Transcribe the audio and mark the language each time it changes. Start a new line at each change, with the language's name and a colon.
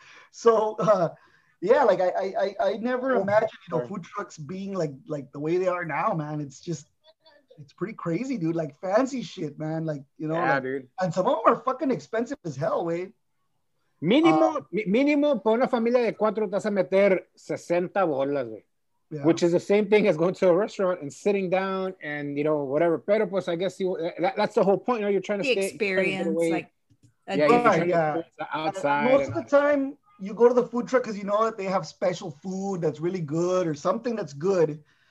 English: So, I never imagined, you know, food trucks being like the way they are now, man. It's just, it's pretty crazy, dude. Like, fancy shit, man. Like, you know. Yeah, like, dude. And some of them are fucking expensive as hell, wey.
Spanish: Mínimo, por una familia de cuatro, te vas a meter 60 bolas, wey.
English: Yeah. Which is the same thing as going to a restaurant and sitting down and, you know, whatever.
Spanish: Pero, pues,
English: I guess that's the whole point. You know, you're trying to stay. Experience, outside. Most of the time, you go to the food truck because you know that they have special food that's really good or something that's good.